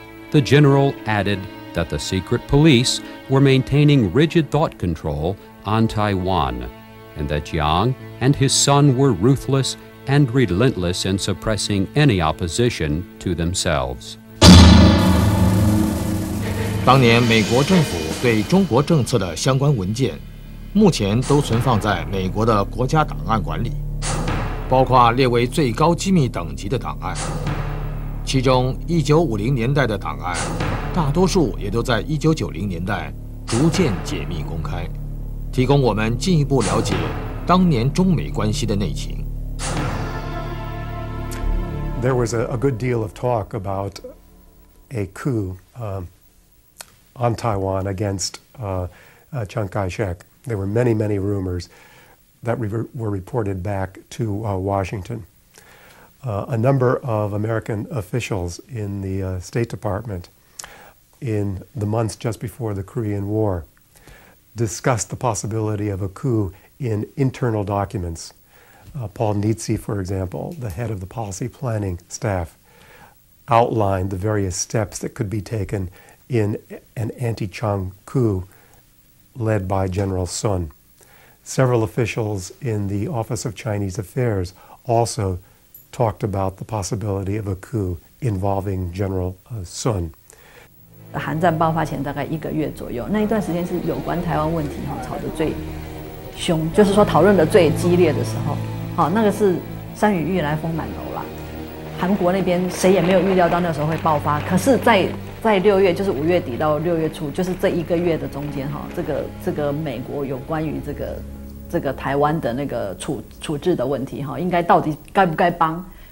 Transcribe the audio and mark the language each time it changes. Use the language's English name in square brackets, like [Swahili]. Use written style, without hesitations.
[English] The general added that the secret police were maintaining rigid thought control on Taiwan, and that Jiang and his son were ruthless and relentless in suppressing any opposition to themselves. [Chinese] 当年美国政府对中国政策的相关文件，目前都存放在美国的国家档案馆里，包括列为最高机密等级的档案。其中1950年代的档案，大多数也都在1990年代逐渐解密公开，提供我们进一步了解当年中美关系的内情。 [English] There was a good deal of talk about a coup on Taiwan against Chiang Kai-shek. There were many, many rumors that were reported back to Washington. A number of American officials in the State Department in the months just before the Korean War discussed the possibility of a coup in internal documents. Paul Nitze, for example, the head of the policy planning staff, outlined the various steps that could be taken in an anti-Chiang coup led by General Sun. Several officials in the Office of Chinese Affairs also talked about the possibility of a coup involving General Sun. [Chinese] 韩战爆发前大概一个月左右，那一段时间是有关台湾问题哈吵得最凶，就是说讨论的最激烈的时候。好，那个是山雨欲来风满楼了。韩国那边谁也没有预料到那时候会爆发，可是在六月，就是五月底到六月初，就是这一个月的中间哈，这个美国有关于这个台湾的那个处置的问题哈，应该到底该不该帮？